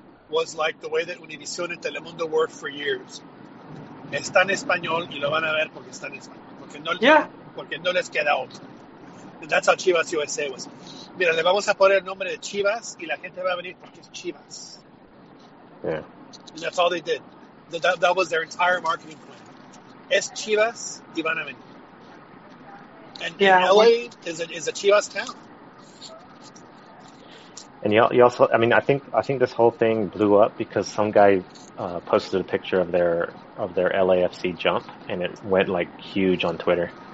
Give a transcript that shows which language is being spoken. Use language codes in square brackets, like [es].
[en] Was like the way that Univision and Telemundo worked for years. [es] Está en español y lo van a ver porque está en español. Porque no les queda otro. [en] That's how Chivas USA was. [es] Mira, le vamos a poner el nombre de Chivas y la gente va a venir porque es Chivas. [en] Yeah. And that's all they did. That was their entire marketing plan. [es] Es Chivas y van a venir. [en] And LA is a Chivas town. And you also, I mean, I think this whole thing blew up because some guy posted a picture of their LAFC jump, and it went like huge on Twitter.